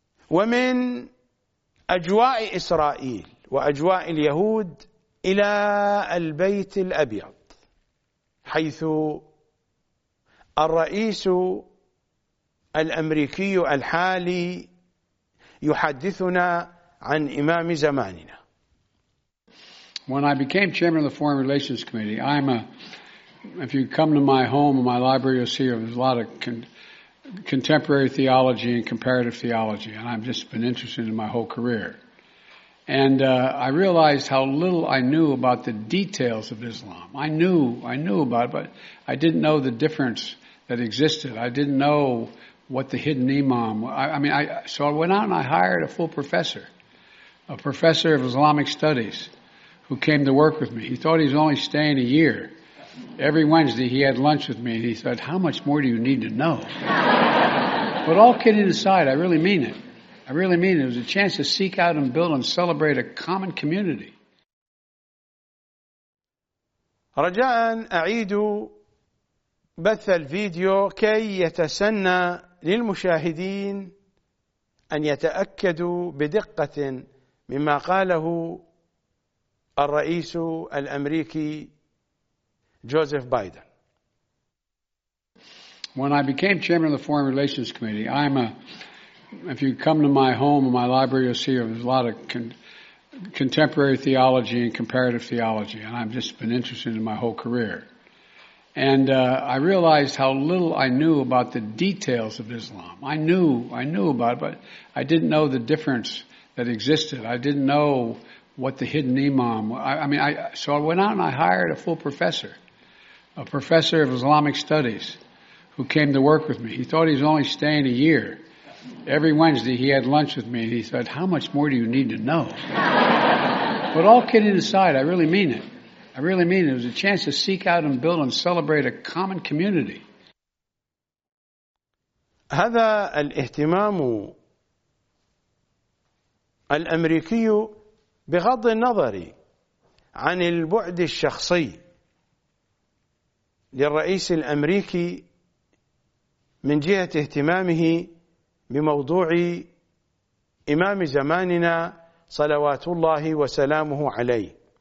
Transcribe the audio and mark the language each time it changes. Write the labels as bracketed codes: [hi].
[ar] ومن أجواء إسرائيل وأجواء اليهود إلى البيت الأبيض، حيث الرئيس الأمريكي الحالي يحدثنا عن إمام زماننا. [en] When I became chairman of the Foreign Relations Committee, I'm a. If you come to my home and my library, you'll see a lot of contemporary theology and comparative theology, and I've just been interested in my whole career. And I realized how little I knew about the details of Islam. I knew about it, but I didn't know the difference that existed. I didn't know what the hidden imam was. So I went out and I hired a full professor, a professor of Islamic studies, who came to work with me. He thought he was only staying a year. Every Wednesday he had lunch with me, and he said, how much more do you need to know? But all kidding aside, I really mean it. I really mean it. It was a chance to seek out and build and celebrate a common community. [ar] رجاء أعيد بث الفيديو كي يتسنى للمشاهدين أن يتأكدوا بدقة مما قاله الرئيس الأمريكي [en] Joseph Biden. When I became chairman of the Foreign Relations Committee, if you come to my home and my library, you'll see there's a lot of contemporary theology and comparative theology, and I've just been interested in my whole career. And I realized how little I knew about the details of Islam. I knew about it, but I didn't know the difference that existed. I didn't know what the hidden imam was. So I went out and I hired a full professor, a professor of Islamic studies, who came to work with me. He thought he was only staying a year. Every Wednesday he had lunch with me, and he said, "How much more do you need to know?" But all kidding aside, I really mean it. I really mean it. It was a chance to seek out and build and celebrate a common community. [ar] هذا الاهتمام الأمريكي بغض النظر عن البعد الشخصي للرئيس الأمريكي من جهة اهتمامه بموضوع إمام زماننا صلوات الله وسلامه عليه.